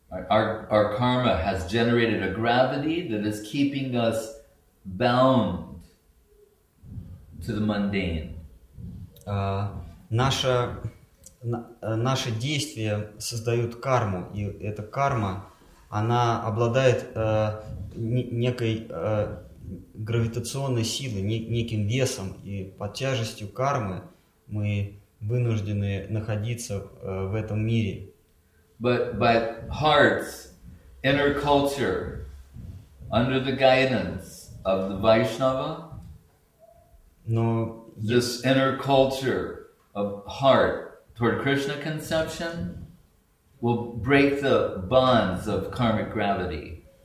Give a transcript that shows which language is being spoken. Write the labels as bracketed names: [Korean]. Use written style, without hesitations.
[English] Our karma has generated a gravity that is keeping us bound to the mundane. [Russian] Наши действия создают карму, и эта карма, она обладает некой гравитационной силой, неким весом, и под тяжестью кармы мы вынуждены находиться в этом мире. [English] But hearts, inner culture, under the guidance of the Vaishnava, this inner culture of heart toward Krishna conception will break the bonds of karmic gravity.